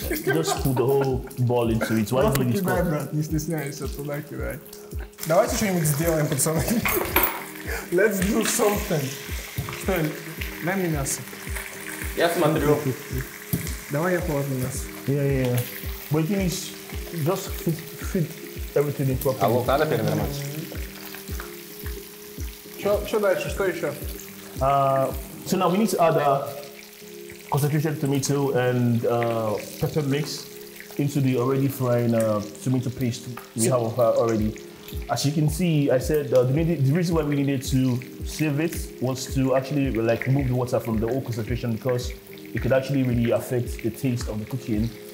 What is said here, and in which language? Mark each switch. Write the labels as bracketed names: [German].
[English] You just put the whole ball into it. Why do you think it's [Russian] brat, не стесняйся, туда-ки, брат. Давайте что-нибудь сделаем, пацаны. [English] Let's do something. [Russian] Что, дай мне мясо. Я смотрю. Давай я положу мясо. [English] Yeah. But the thing is, just fit everything into a [Russian] pan. А лук надо перемешать? Что дальше? Что еще? [English] So now we need to add concentrated tomato and pepper mix into the already frying tomato paste we have already. As you can see, I said the reason why we needed to sieve it was to actually like remove the water from the whole concentration because it could actually really affect the taste of the cooking.